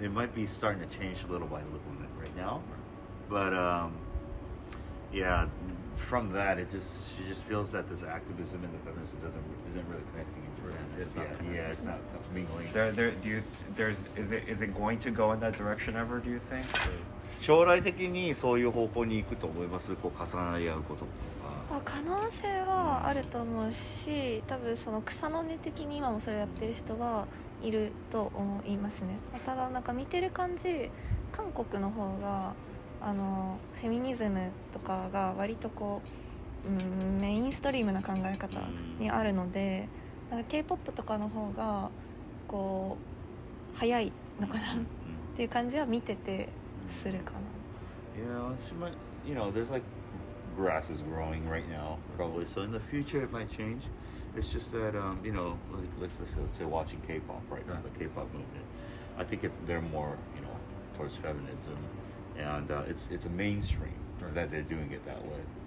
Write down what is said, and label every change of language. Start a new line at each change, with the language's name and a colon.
English: It might be starting to change a little by little bit right now, but yeah, from that, she just feels that this activism and the feminism isn't really connecting. Is it going to go in that direction ever, do you think?
Japanese: 将来的にそういう方向に行くと思います？こう重なり合うこととか。可能性はあると思うし、多分その草の根的に今もそれをやってる人はいると思いますね。ただなんか見てる感じ、韓国の方があのフェミニズムとかが割とこうメインストリームな考え方にあるので、だから K-POP とかの方がこう早いのかなっていう感じは見ててするかな。
English: Yeah, you know, there's like grass is growing right now, probably. So in the future it might change. It's just that, you know, let's say watching K-POP right now, the K-POP movement. I think it's they're more, you know, towards feminism, and it's a mainstream that they're doing it that way.